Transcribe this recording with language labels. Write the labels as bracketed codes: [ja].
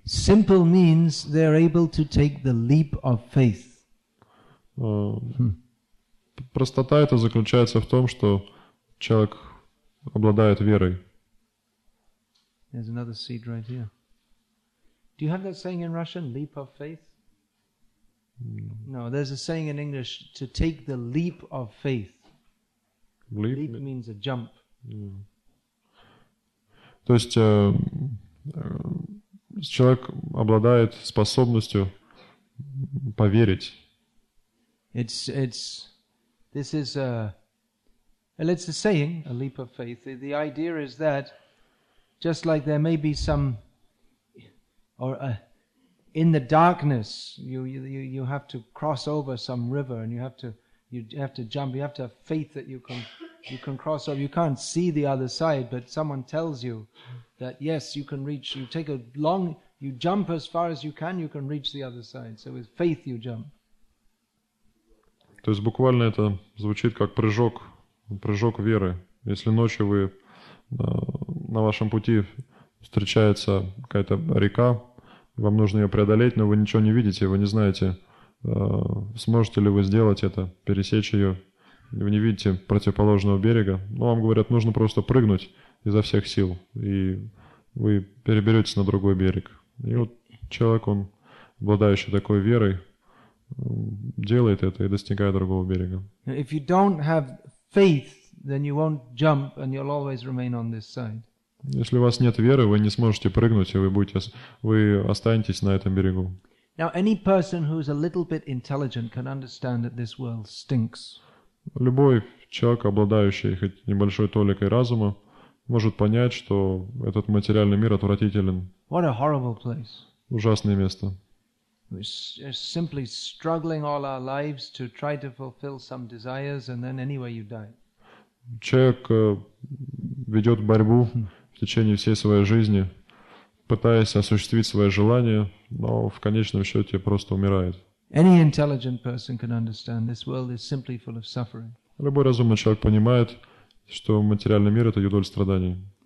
[en] Simple means they're able to take the leap of faith. [ru] Простота это заключается в том, что человек обладает верой. [en] There's another seed right here. Do you have that saying in Russian, leap of faith? No, there's a saying in English, to take the leap of faith. Leap, leap means a jump. Mm. [ru] То есть человек обладает способностью поверить. [en] It's a saying, a leap of faith. The idea is that, just like there may be some in the darkness, you have to cross over some river, and you have to jump. You have to have faith that you can cross over. You can't see the other side, but someone tells you that yes, you can reach. You take a long, you jump as far as you can reach the other side. So with faith, you jump. [ru] То есть буквально это звучит как прыжок веры. Если ночью вы на вашем пути встречается какая-то река. Вам нужно ее преодолеть, но вы ничего не видите, вы не знаете, сможете ли вы сделать это, пересечь ее. Вы не видите противоположного берега. Но вам говорят, нужно просто прыгнуть изо всех сил, и вы переберетесь на другой берег. И вот человек, он, обладающий такой верой, делает это и достигает другого берега. [en] If you don't have faith, then you won't jump and you'll always remain on this side. [ru] Если у вас нет веры, вы не сможете прыгнуть, и вы останетесь на этом берегу. [en] Now, any person who is a little bit intelligent can understand that this world stinks. [ru] Любой человек, обладающий хоть небольшой толикой разума, может понять, что этот материальный мир отвратителен. [en] What a horrible place. [ru] Ужасное место. [en] We're simply struggling all our lives to try to fulfill some desires, and then anyway you die. [ru] Человек ведет борьбу в течение всей своей жизни, пытаясь осуществить свои желания, но в конечном счете просто умирает. [en] Any intelligent person can understand this world is simply full of suffering. [ru] Любой разумный человек понимает, что материальный мир — это юдоль страданий.